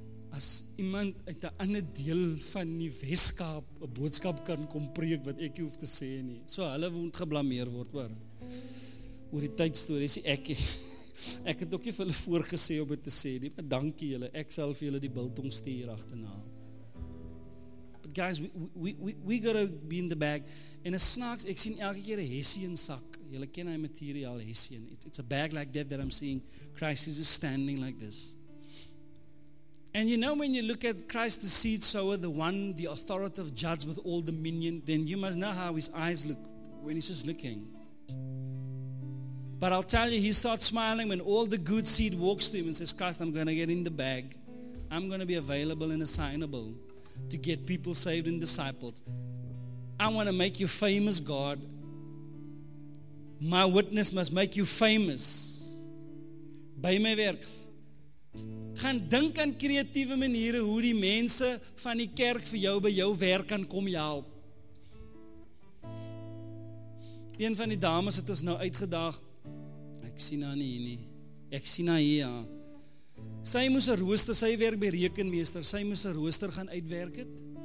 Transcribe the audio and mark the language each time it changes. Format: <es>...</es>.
<af>As iemand uit 'n ander deel van die Weskaap 'n boodskap kan kom preek wat ek nie hoef te sê nie. So hulle moet geblameer word oor die tydstorie. Dis ek. Ek het ook nie vir hulle voorgesê om dit te sê nie, maar dankie julle. Ek sal vir julle die biltong stuur agterna.</af> <en>But guys, we got to be in the bag.</en> <af>En 'n snacks, ek sien elke keer 'n Hessian sak. Julle ken hy materiaal Hessian.</af> <en>It's a bag like that I'm seeing. Christ is just standing like this. And you know when you look at Christ the seed sower, the one, the authoritative judge with all dominion, then you must know how his eyes look when he's just looking. But I'll tell you, he starts smiling when all the good seed walks to him and says, Christ, I'm going to get in the bag. I'm going to be available and assignable to get people saved and discipled. I want to make you famous, God. My witness must make you famous.</en> <af>By my werk. Gaan dink aan kreatiewe maniere hoe die mense van die kerk vir jou by jou werk kan kom help. Een van die dames het ons nou uitgedaag. Ek sien haar nie hier nie. Ek sien haar hier. Ja. Sy moes 'n rooster, sy werk by rekenmeester, sy moes 'n rooster gaan uitwerk het.</af>